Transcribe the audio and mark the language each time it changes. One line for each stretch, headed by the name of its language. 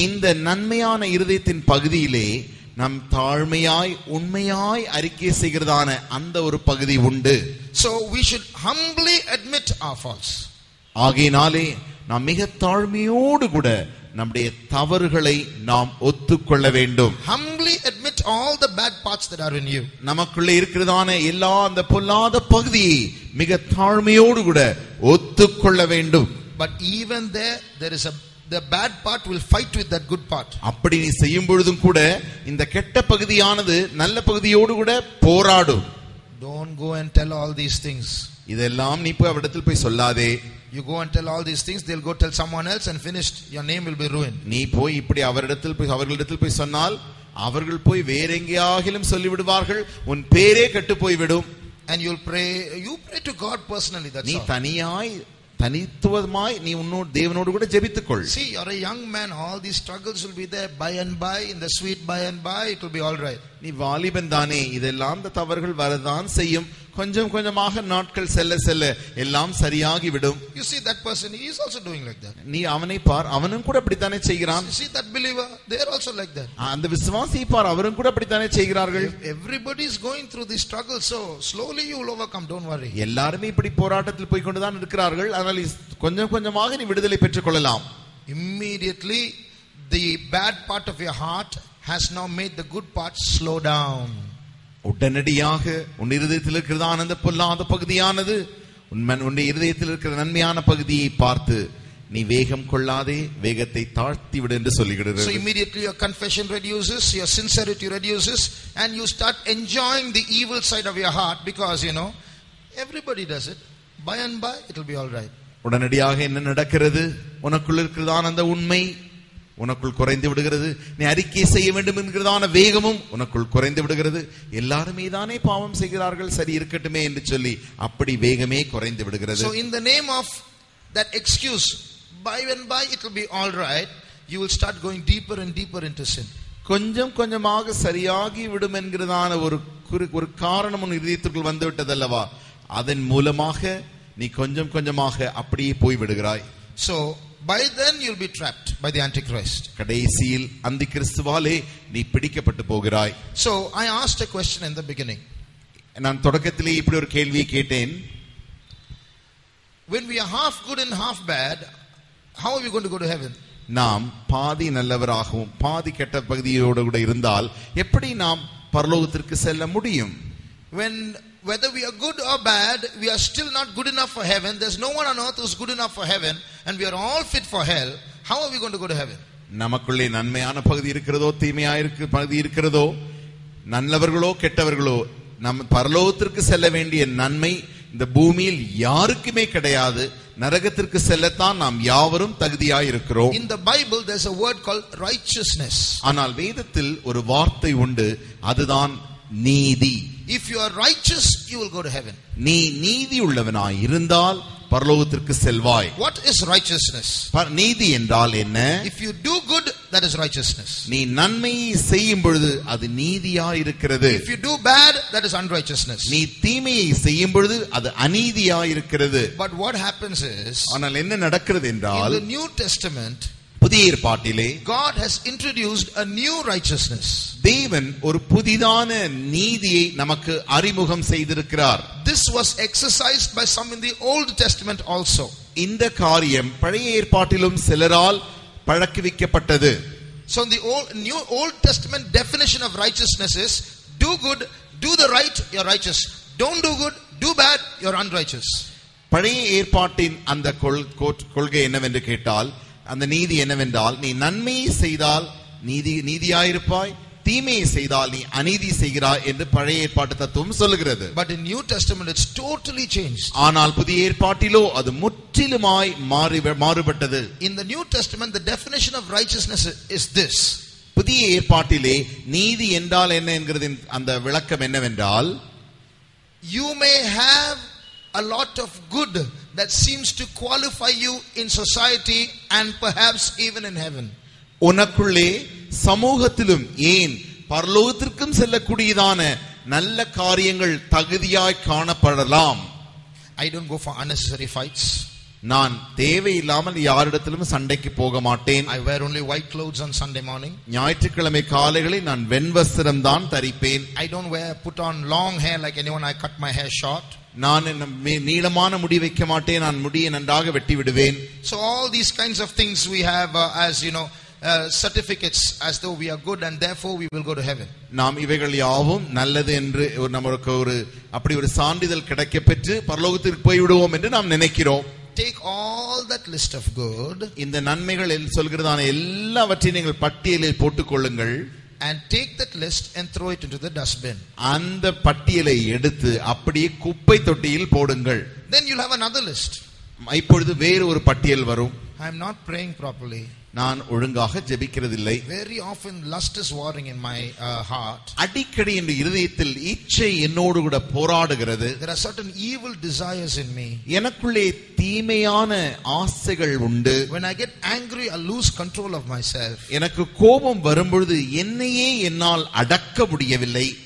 Tamil: இந்த நன்மையான இருதயத்தின் பகுதியிலே நம் தாழ்மையாய் உண்மையாய் அறிக்கை செய்கிறதான அந்த ஒரு பகுதி உண்டு.
English: So we should humbly admit our faults.
Tamil: ஆகையினாலே நாம் மிக தாழ்மையோடு கூட நம்முடைய தவறுகளை நாம் ஒத்துக்கொள்ள வேண்டும்.
English: Humbly admit all the bad parts that are in you.
Tamil: நமக்குள்ளே இருக்கிறதான எல்லா அந்த பொல்லாத பகுதியை மிக தாழ்மையோடு கூட ஒத்துக்கொள்ள வேண்டும்.
English: But even there is a the bad part will fight with that good part.
Tamil: அப்படி நீ செய்யும் பொழுதும் கூட இந்த கெட்ட பகுதியானது நல்ல பகுதியோடு கூட போராடும்.
English: Don't go and tell all these things.
Tamil: இதெல்லாம் நீ போய் அவரிடத்தில் போய் சொல்லாதே.
English: You go and tell all these things, they'll go tell someone else and finished. Your name will be ruined.
Tamil: நீ போய் இப்படி அவரிடத்தில் போய் அவர்களிடத்தில் போய் சொன்னால் அவர்கள் போய் வேற எங்கேயாகிலும் சொல்லிவிடுவார்கள், உன் பேரே கெட்டு போய்விடும்.
English: And you pray to God personally. That's
Tamil: நீ தனியாய் தனித்துவமாய் நீ உன்னோடு தேவனோடு கூட ஜெபித்துக் கொள்.
English: See, you're a young man, all these struggles will be there by and by, in the sweet by and by, it will be all right.
Tamil: நீ வாலிபன் தானே, இதெல்லாம் தவறுகள் வரதான் செய்யும், கொஞ்சம் கொஞ்சமாக நாட்கள் செல்ல செல்ல எல்லாம் சரியாகி விடும்.
English: You see that person, he is also doing like that.
Tamil: நீ அவனை பார், அவனும் கூட அப்படித்தானே செய்கிறான்.
English: You see that believer, they are also like that.
Tamil: அந்த விசுவாசி பார், அவரும் கூட அப்படித்தானே செய்கிறார்கள்.
English: Everybody is going through this struggle, so slowly you will overcome, don't worry.
Tamil: எல்லாரும் இப்படி போராட்டத்தில் போய் கொண்டுதான் இருக்கிறார்கள், ஆனால் கொஞ்சம் கொஞ்சமாக நீ விடுதலை பெற்றுக் கொள்ளலாம்.
English: Immediately the bad part of your heart has now made the good part slow down.
Tamil: உடனடியாக உன் இருதயத்தில் இருக்கிறது ஆனந்த பொல்லாத பகுதியானது உன் இருதயத்தில் இருக்கிற நன்மையான பகுதியை பார்த்து நீ வேகம் கொள்ளாதே, வேகத்தை தாழ்த்தி விடு என்று சொல்லுகிறது.
English: So immediately your confession reduces, your sincerity reduces, and you start enjoying the evil side of your heart, because you know everybody does it. By and by it'll be all right.
Tamil: உடனடியாக என்ன நடக்கிறது? உனக்குள் இருக்கிறது ஆனந்த உண்மை உனக்குள் குறைந்து விடுகிறது. நீ அறிக்கை செய்ய வேண்டும் என்கிறதான வேகமும் உனக்குள் குறைந்து விடுகிறது. எல்லாருமே தானே பாவம் செய்கிறார்கள், சரி இருக்கட்டுமே என்று சொல்லி அப்படி வேகமே குறைந்து விடுகிறது.
English: So in the name of that excuse, by and by it will be all right, you will start going deeper and deeper into sin.
Tamil: கொஞ்சம் கொஞ்சமாக சரியாகி விடும் என்கிறதான ஒரு காரணம் உன் இதயத்துக்குள் வந்து விட்டதல்லவா, அதன் மூலமாக நீ கொஞ்சம் கொஞ்சமாக அப்படியே போய் விடுகிறாய்.
English: So by then you'll be trapped by the antichrist.
Tamil: கடைசியில் அந்திக்கிறிஸ்துவாலே நீ பிடிக்கப்பட்டு போகிறாய்.
English: So I asked a question in the beginning.
Tamil: நான் தொடக்கத்திலே இப்படி ஒரு கேள்வி கேட்டேன்.
English: When we are half good and half bad, how are we going to go to heaven?
Tamil: நாம் பாதி நல்லவராகவும் பாதி கெட்ட பகுதியோடு கூட இருந்தால் எப்படி நாம் பரலோகத்திற்கு செல்ல முடியும்?
English: When whether we are good or bad, we are still not good enough for heaven. There's no one on earth who's good enough for heaven, and we are all fit for hell. How are we going to go to heaven?
Tamil: நமக்குள்ள நன்மையான பகுதி இருக்கிறதோ தீமையா இருக்கிற பகுதி இருக்கிறதோ, நல்லவர்களோ கெட்டவர்களோ, நம் பரலோகத்திற்கு செல்ல வேண்டிய நன்மை இந்த பூமியில் யாருக்குமே கிடையாது. நரகத்திற்கு செல்லத்தான் நாம் யாவரும் தகுதியாய் இருக்கிறோம்.
English: In the Bible there's a word called righteousness.
Tamil: ஆனால் வேதத்தில் ஒரு வார்த்தை உண்டு, அதுதான் நீதி.
English: If you are righteous, you will go to heaven.
Tamil: நீ நீதி உள்ளவனாய் இருந்தால் பரலோகத்திற்கு செல்வாய்.
English: What is righteousness?
Tamil: நீதி என்றால் என்ன?
English: If you do good, that is righteousness.
Tamil: நீ நன்மை செய்யும் பொழுது அது நீதியாய் இருக்கிறது.
English: If you do bad, that is unrighteousness.
Tamil: நீ தீமையை செய்யும் பொழுது அது அநீதியாய் இருக்கிறது.
English: But what happens is,
Tamil: ஆனால் என்ன நடக்கிறது என்றால்,
English: in the New Testament,
Tamil: புதிய ஏற்பாட்டிலே,
English: God has introduced a new righteousness.
Tamil: தேவன் ஒரு புதிதான நீதியை நமக்கு அறிமுகம் செய்திருக்கிறார்.
English: This was exercised by some in the Old Testament also.
Tamil: இந்த காரியம் பழைய ஏற்பாட்டிலும் சிலரால் பழக்கிவிக்கப்பட்டது.
English: So the old testament definition of righteousness is, do good, do the right, you're righteous. Don't do good, do bad, you're unrighteous.
Tamil: பழைய ஏற்பாட்டின் அந்த கொள்கை என்னவென்று கேட்டால், அந்த நீதி என்னவென்றால், நீ நன்மை செய்தால் நீதியாயிருப்பாய், தீமையை செய்தால் நீ அநீதி செய்கிறாய் என்று பழைய ஏற்பாட்டு தத்துவம் சொல்லுகிறது.
English: But in New Testament it's totally changed.
Tamil: ஆனால் புதிய ஏற்பாட்டிலோ அது முற்றிலுமாய் மாறுபட்டது.
English: In the New Testament the definition of righteousness is this.
Tamil: புதிய ஏற்பாட்டிலே நீதி என்றால் என்ன என்கிறதின் அந்த விளக்கம் என்னவென்றால்,
English: you may have a lot of good that seems to qualify you in society and perhaps even in heaven.
Tamil: உனக்குள்ள சமூகத்திலும் ஏன் பரலோகத்திற்கும் செல்லக்கூடியதான நல்ல காரியங்கள் தகுதியாய் காணப்படலாம்.
English: I don't go for unnecessary fights.
Tamil: நான் தேவையில்லாமல் யாரிடத்திலும் சண்டைக்கு போக மாட்டேன்.
English: I wear only white clothes on Sunday morning.
Tamil: ஞாயிற்றுக்கிழமை காலைகளில் நான் வெண்வஸ்திரம் தான் தரிப்பேன்.
English: I don't wear put on long hair like anyone. I cut my hair short.
Tamil: நான் நீளமான முடி வைக்க மாட்டேன், நான் முடியை நன்றாக வெட்டி விடுவேன்.
English: So all these kinds of things we have as you know certificates as though we are good and therefore we will go to heaven.
Tamil: நாம் இவைகள் யாவும் நல்லது என்று நமக்கு ஒரு அப்படி ஒரு சான்றிதழ் கிடைக்கப்பெற்று பரலோகத்திற்கு போய் விடுவோம் என்று நாம் நினைக்கிறோம்.
English: Take all that list of good,
Tamil: இந்த நன்மைகள் சொல்கிறதான எல்லாவற்றையும் நீங்கள் பட்டியலில் போட்டுக்கொள்ளுங்கள்.
English: And take that list and throw it into the dustbin.
Tamil: அந்த பட்டியலை எடுத்து அப்படியே குப்பை தொட்டியில் போடுங்கள்.
English: Then you'll have another list.
Tamil: இப்பொழுது வேறு ஒரு பட்டியல் வரும்.
English: I am not praying properly.
Tamil: நான் ஒழுங்காக ஜெபிக்கிறதில்லை.
English: Very often lust is warring in my heart.
Tamil: அடிக்கடி இந்த இதயத்தில் இச்சை என்னோடு கூட போராடுகிறது.
English: There are certain evil desires in me.
Tamil: எனக்குள்ளே தீமையான ஆசைகள் உண்டு.
English: When I get angry, I lose control of myself.
Tamil: எனக்கு கோபம் வரும்பொழுது என்னையே என்னால் அடக்க முடியவில்லை.